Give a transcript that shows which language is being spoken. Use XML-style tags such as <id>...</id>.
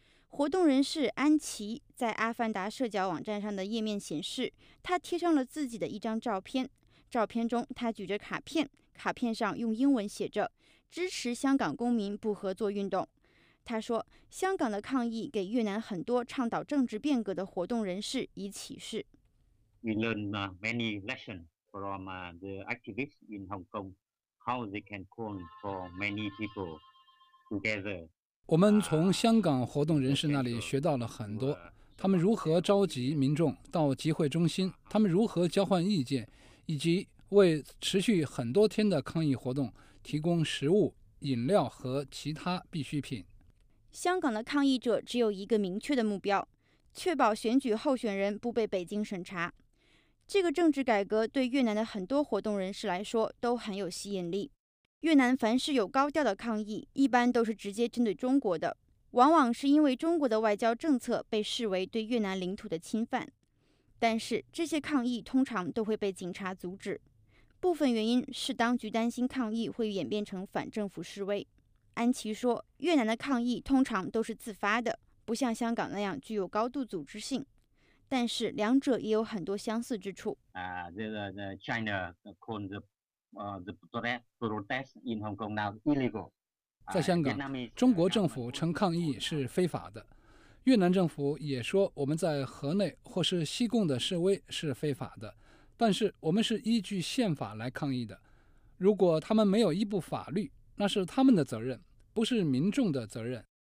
<zh>活动人士安琪在阿凡达社交网站上的页面显示，他贴上了自己的一张照片，照片中他举着卡片，卡片上用英文写着支持香港公民不合作运动。他说，香港的抗议给越南很多倡导政治变革的活动人士以启示。</zh> <en>We learn many lessons from the activists in Hong Kong, how they can call for many people together.</en> <zh>我们从香港活动人士那里学到了很多，他们如何召集民众到集会中心，他们如何交换意见，以及为持续很多天的抗议活动提供食物、饮料和其他必需品。香港的抗议者只有一个明确的目标，确保选举候选人不被北京审查。这个政治改革对越南的很多活动人士来说都很有吸引力。越南凡是有高调的抗议，一般都是直接针对中国的，往往是因为中国的外交政策被视为对越南领土的侵犯。但是这些抗议通常都会被警察阻止，部分原因是当局担心抗议会演变成反政府示威。安琪说，越南的抗议通常都是自发的，不像香港那样具有高度组织性，但是两者也有很多相似之处。</zh> <en>The China called the protest in Hong Kong now illegal.</en> <zh>在香港，中国政府称抗议是非法的，越南政府也说我们在河内或是西贡的示威是非法的，但是我们是依据宪法来抗议的。如果他们没有依部法律，那是他们的责任，不是民众的责任。</zh>